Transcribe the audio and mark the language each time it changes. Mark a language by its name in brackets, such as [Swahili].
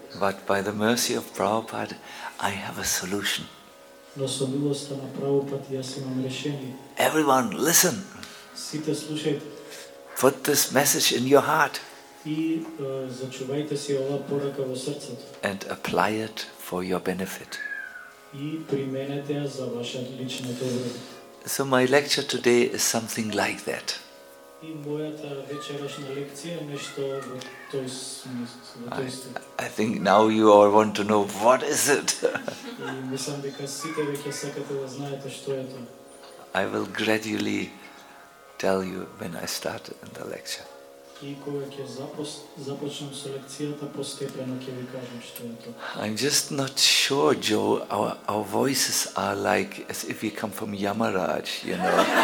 [English] But by the mercy of Prabhupada, I have a solution. [Macedonian] Но со милоста на Прабхупада јас имам решение. [English] Everyone, listen. [Macedonian] Сите слушајте. [English] Put this message in your heart. [Macedonian] И зачувајте си ова порака во срцето. [English] And apply it for your benefit. [Macedonian] И применете ја за ваша лична добро. [English] So my lecture today is something like that. [Macedonian] И мојата вечерашна лекција нешто во тој смисла. [English] I think now you all want to know what is it. [Macedonian] Мислам дека сите веќе сакате да знаете што е тоа. [English] I will gradually tell you when I start in the lecture. [Macedonian] И кога ќе започнам со лекцијата постепено ќе ви кажам што е тоа. [English] I'm just not sure, Joe. Our voices are like as if we come from Yamaraj, you know.